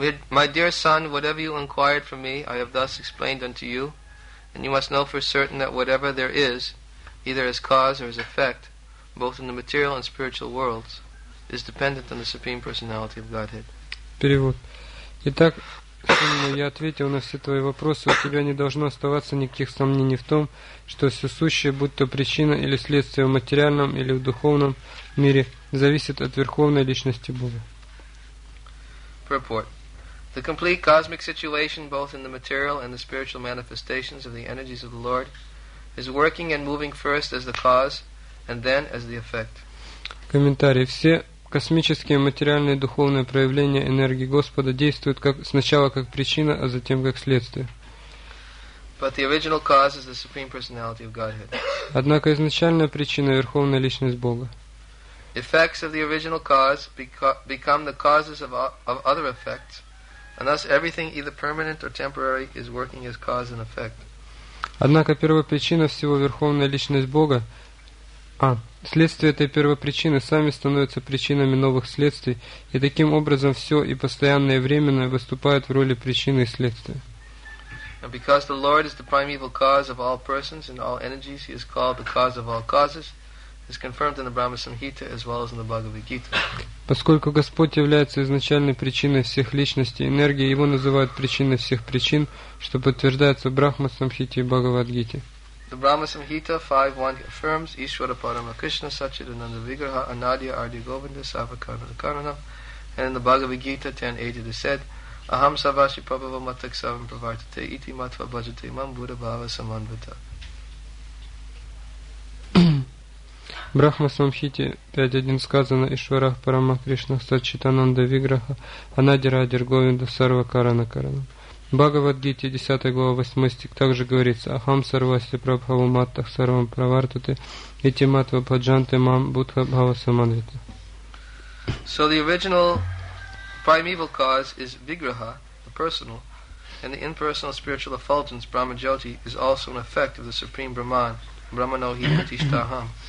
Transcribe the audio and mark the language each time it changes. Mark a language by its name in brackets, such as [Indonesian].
[English] My dear son, whatever you inquired from me, I have thus explained unto you, and you must know for certain that whatever there is, either as cause or as effect, both in the material and spiritual worlds, is dependent on the Supreme Personality of Godhead. [Russian] Перевод. Итак, я ответил на все твои вопросы. У тебя не должно оставаться никаких сомнений в том, что все сущее, будь то причина или следствие в материальном или в духовном мире, зависит от Верховной Личности Бога. [English] Purport. The complete cosmic situation, both in the material and the spiritual manifestations of the energies of the Lord, is working and moving first as the cause and then as the effect. [Russian] Комментарий. Все космические, материальные и духовные проявления энергии Господа действуют как, сначала как причина, а затем как следствие. [English] But the original cause is the Supreme Personality of Godhead. [Russian] Однако изначальная причина – Верховная Личность Бога. [English] Effects of the original cause become the causes of other effects, and thus everything, either permanent or temporary, is working as cause and effect. [Russian] Однако первопричина всего – Верховная Личность Бога. Следствие этой первопричины сами становятся причинами новых следствий, и таким образом все и постоянное и временное выступают в роли причины и следствия. [English] And because the Lord is the primeval cause of all persons and all energies, He is called the cause of all causes, is confirmed in the Brahma Samhita as well as in the Bhagavad Gita. [Russian] Поскольку Господь является изначальной причиной всех личностей и энергии, Его называют причиной всех причин, что подтверждается в Брахма Самхите и Бхагавад Гите. [English] The Brahma Samhita 5.1 affirms [Sanskrit] Ishvara Parama Krishna Sachidananda Vigraha Anadya Ardi Govinda Savakarana Karana. [English] And in the Bhagavad Gita 10.8 it is said, [Sanskrit] Aham Savashi Prabhava Matak Savam Pravartate Iti Matva Bhajate Mam Buddha Bhava Samanvata. [Russian] Брахма Самхите 5.1 сказано, [Sanskrit] Ишвара Парама Кришна Сачитананда Виграха Анади Радир Говинда Сарва Карана Карана. [Russian] Бхагавад Гите 10 глава 8 стих также говорится, [Sanskrit] Ахам Сарваси Прабхаву Маттах Сарвам Правартате Ити Матва Паджанте Мам Будха Бхава Саманвита. [English] So the original primeval cause is Vigraha, the personal, and the impersonal spiritual effulgence Brahma Jyoti is also an effect of the Supreme Brahman, [Sanskrit] Brahmano Hi Pratishtaham.